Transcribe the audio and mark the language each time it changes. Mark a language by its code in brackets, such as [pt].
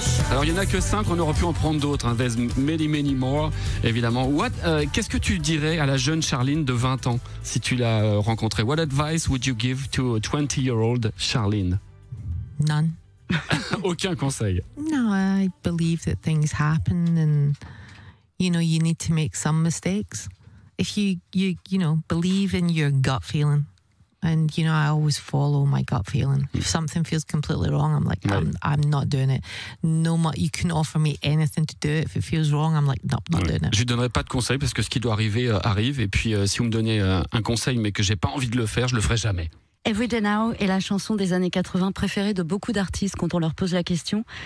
[fr] Alors, il n'y en a que 5, on aurait pu en prendre d'autres. Hein. [en] There's many, many more, [fr] évidemment. Qu'est-ce que tu dirais à la jeune Charlene de 20 ans, si tu l'as rencontrée? [en] What advice would you give to a 20-year-old Charlene? None. [fr] Aucun conseil. [en] No, I believe that things happen and... You know, you need to make some mistakes. If you believe in your gut feeling, and you know, I always follow my gut feeling. If something feels completely wrong, I'm like, I'm not doing it. No, you can offer me anything to do it. If it feels wrong, I'm like, nope, not doing it. [fr] Je donnerai pas de conseil parce que ce qui doit arriver arrive. Et puis, si vous me donnez un conseil, mais que j'ai pas envie de le faire, je le ferai jamais. Every Day Now est la chanson des années 80 préférée de beaucoup d'artistes quand on leur pose la question.